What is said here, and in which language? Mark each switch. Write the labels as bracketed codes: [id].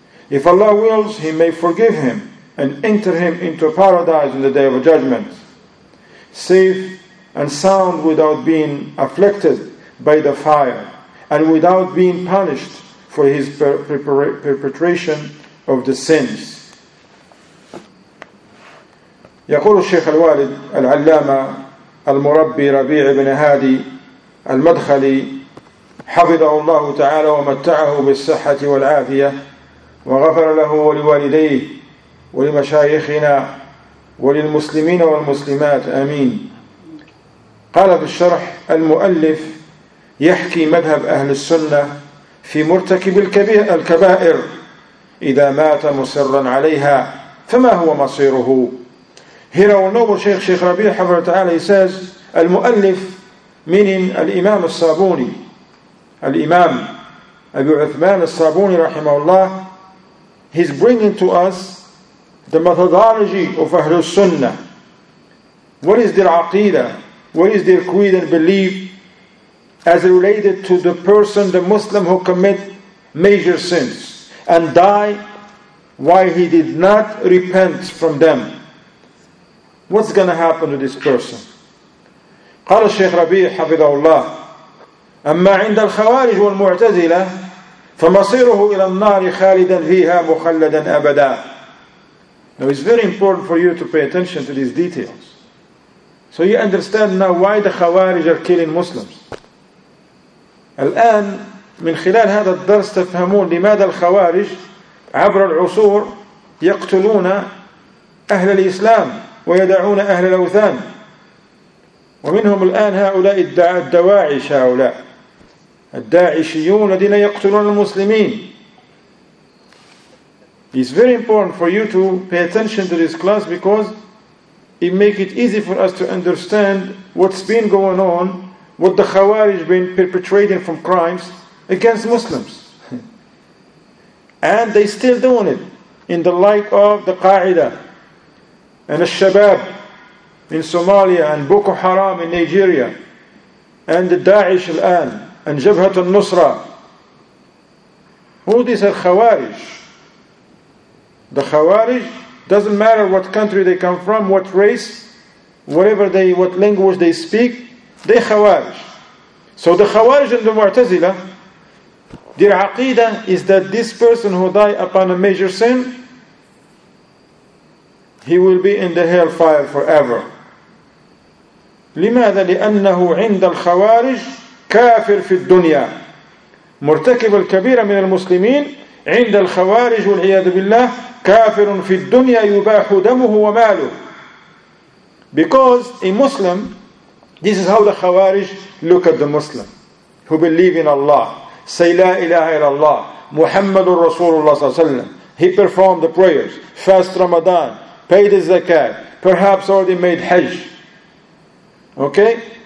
[en] If Allah wills, he may forgive him and enter him into paradise in the day of judgment, safe and sound without being afflicted by the fire and without being punished for his perpetration of the sins. [ar] يقول الشيخ الوالد العلامة المربي ربيع بن هادي المدخلي حفظه الله تعالى ومتعه بالصحة والعافية وغفر له ولوالديه ولمشايخنا وللمسلمين والمسلمات آمين. قال في الشرح المؤلف يحكي مذهب أهل السنة في مرتكب الكبائر إذا مات مصرا عليها فما هو مصيره. [en] Here our noble Sheikh Rabi [ar] حفظه تعالى [en] says المؤلف meaning [ar] الإمام الصابوني الإمام أبي عثمان الصابوني رحمه الله, [en] he's bringing to us the methodology of أهل السنة. What is their عقيدة? What is their creed and belief as related to the person, the Muslim, who commit major sins and die while he did not repent from them? What's going to happen to this person? [ar] قال الشيخ ربيع حفظه الله أما عند الخوارج والمعتزلة فمصيره إلى النار خالدا فيها مخلدا أبدا. [en] Now it's very important for you to pay attention to these details. So you understand now why the Khawarij are killing Muslims. [ar] الآن من خلال هذا الدرس تفهمون لماذا الخوارج عبر العصور يقتلون أهل الإسلام ويدعون أهل الأوثان, ومنهم الآن هؤلاء الدواعش, هؤلاء الداعشيون الذين يقتلون المسلمين. [en] It's very important for you to pay attention to this class because it makes it easy for us to understand what's been going on, what the Khawarij been perpetrating from crimes against Muslims. And they still doing it in the light of the Qaeda and the Shabab in Somalia and Boko Haram in Nigeria and the Daesh al-An and Jabhat al-Nusra. Who these are Khawarij? The Khawarij, doesn't matter what country they come from, what race, whatever they, what language they speak, they Khawarij. So the Khawarij and the Mu'tazila, their aqidah is that this person who died upon a major sin, he will be in the hellfire forever. [ar] لماذا؟ لأنه عند الخوارج كافر في الدنيا مرتكب الكبيرة من المسلمين عند الخوارج والعياذ بالله كافر في الدنيا يباح دمه وماله. [en] Because a Muslim, this is how the Khawarij look at the Muslim who believe in Allah. Say [ar] La ilaha illallah, Muhammadur Rasulullah [en] sallallahu alayhi wa sallam. He performed the prayers, fast Ramadan, paid his zakat, perhaps already made Hajj. Okay?